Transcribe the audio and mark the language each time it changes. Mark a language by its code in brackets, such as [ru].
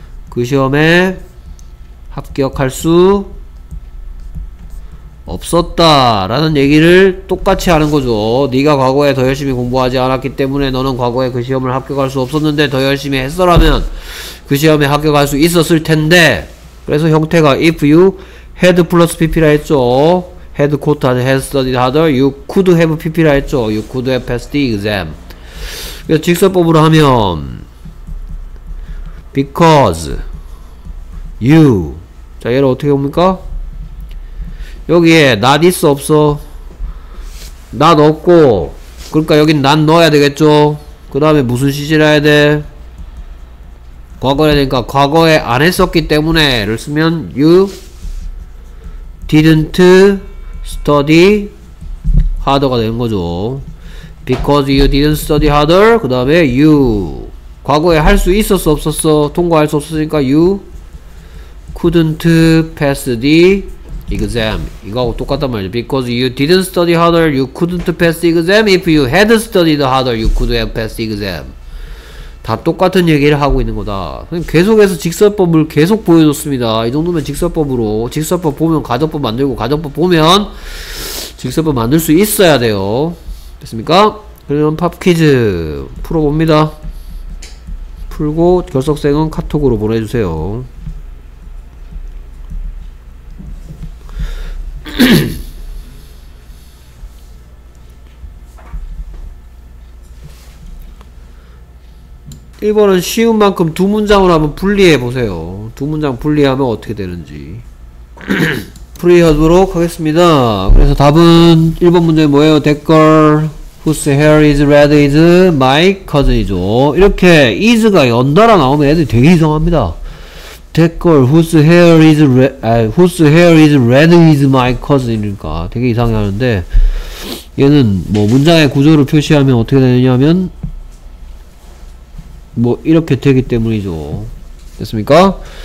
[ko] 그 시험에 합격할 수 없었다 라는 얘기를 똑같이 하는 거죠. 네가 과거에 더 열심히 공부하지 않았기 때문에 너는 과거에 그 시험을 합격할 수 없었는데, 더 열심히 했어라면 그 시험에 합격할 수 있었을 텐데. 그래서 형태가 [en] if you had plus pp [ko] 라 했죠. [en] had caught and had studied harder, you could have pp [ko] 라 했죠. [en] you could have passed the exam. [ko] 그래서 직설법으로 하면 [en] because you, [ko] 자 얘를 어떻게 봅니까? 여기에 not 있어 없어? not 없고, 그러니까 여긴 난 넣어야 되겠죠. 그 다음에 무슨 시제를 해야 돼? 과거에 되니까 과거에 안 했었기 때문에 를 쓰면 [en] you didn't study harder [ko] 가 되는 거죠. [en] Because you didn't study harder, [ko] 그 다음에 you 과거에 할 수 있었어 없었어? 통과할 수 없었으니까 [en] you couldn't pass the exam. [ko] 이거하고 똑같단 말이죠. [en] Because you didn't study harder, you couldn't pass the exam. If you had studied harder, you could have passed the exam. [ko] 다 똑같은 얘기를 하고 있는 거다. 계속해서 직설법을 계속 보여줬습니다. 이 정도면 직설법으로, 직설법 보면 가정법 만들고, 가정법 보면 직설법 만들 수 있어야 돼요. 됐습니까? 그러면 팝퀴즈 풀어봅니다. 풀고 결석생은 카톡으로 보내주세요. 1번은 쉬운 만큼 두 문장을 한번 분리해보세요. 두 문장 분리하면 어떻게 되는지. 풀이하도록 하겠습니다. 그래서 답은 1번 문제 뭐예요? 댓글 [en] whose hair is red is my cousin이죠. [ko] 이렇게 is가 연달아 나오면 애들이 되게 이상합니다. [en] That girl whose hair is red, whose hair is red is my cousin [ko] 이니까 되게 이상해 하는데, 얘는 뭐 문장의 구조를 표시하면 어떻게 되냐면 뭐 이렇게 되기 때문이죠. 됐습니까?